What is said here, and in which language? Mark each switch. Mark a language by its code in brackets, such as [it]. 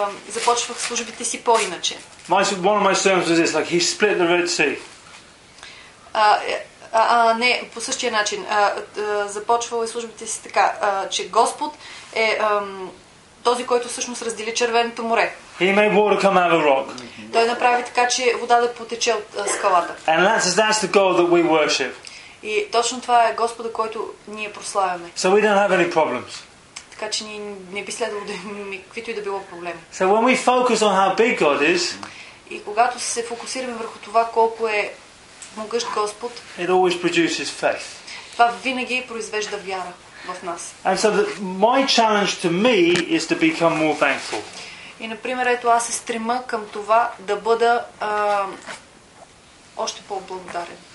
[bg] започвах службите си по-иначе. [en] One of my sermons was this, like he split the Red Sea. [bg] Не, по същия начин. Започвал и службите си така, че Господ е този, който всъщност раздели Червеното море. [en] He made water come out of a rock. [bg] Той направи така, че вода да потече от скалата. [en] And that's the God that we worship. [bg] И точно това е Господа, който ние прославяме. [en] So we don't have any problems. [bg] така че ние не би следвало да имаме каквито и да било проблеми. [en] So when we focus on how big God is, [bg] и когато се фокусираме върху това колко е могъщ Господ, [en] it always produces faith. [bg] Това винаги произвежда вяра в нас. [en] And so my challenge to me is to become more thankful. [bg] И например, ето аз се стрема към това да бъда още по-благодарен.